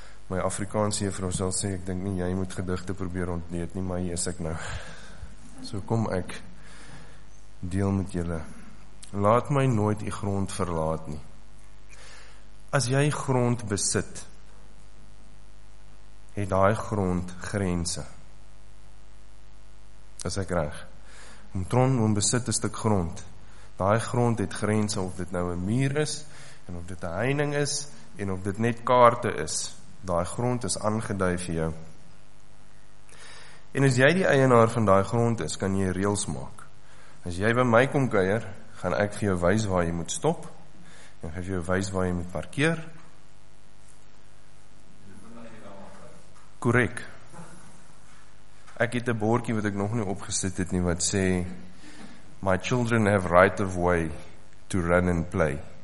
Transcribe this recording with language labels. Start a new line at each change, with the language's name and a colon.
Afrikaans: My Afrikaanse juffrou sal sê, ek dink nie jy moet gedigte probeer ontleed nie, maar hier is ek nou. So kom ek deel met julle. Laat my nooit die grond verlaat nie. As jy grond besit, het daai grond grense. As ek reg, om besit een stuk grond, daai grond het grense, of dit nou een muur is, en of dit een heining is, en of dit net kaarte is, daai grond is aangedui vir jou. En as jy die eienaar van daai grond is, kan jy reels maak. As jy by my kom kuier, gaan ek vir jou wys waar jy moet stop, en gaan vir jou wys waar jy moet parkeer. Korrek. Ek het 'n bordjie wat ek nog nie opgesit het nie, wat sê,
English: my children have right of way to run and play.